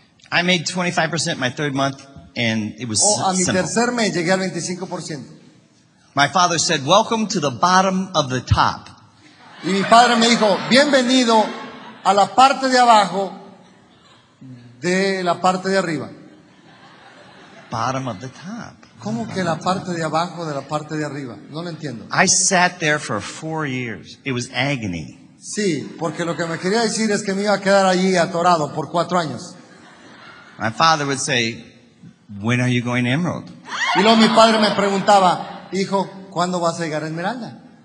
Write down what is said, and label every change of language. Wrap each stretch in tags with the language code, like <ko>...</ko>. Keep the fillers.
<en>I made 25% my third month, and it was oh, simple.</en> <es>a mi tercer mes, llegué al 25%.</es> <en>My father said, welcome to the bottom of the top.</en> <es>Y mi padre me dijo, bienvenido a la parte de abajo de la parte de arriba.</es> <en>Bottom of the top,</en> <es>¿Cómo the que la parte top. de abajo de la parte de arriba? No lo entiendo.</es> <en>I sat there for four years. It was agony.</en> <es>Sí, porque lo que me quería decir es que me iba a quedar allí atorado por cuatro años.</es> <en>My father would say, When are you going to emerald?</en> <es>Y luego mi padre me preguntaba, hijo, ¿cuándo vas a llegar a Esmeralda?</es>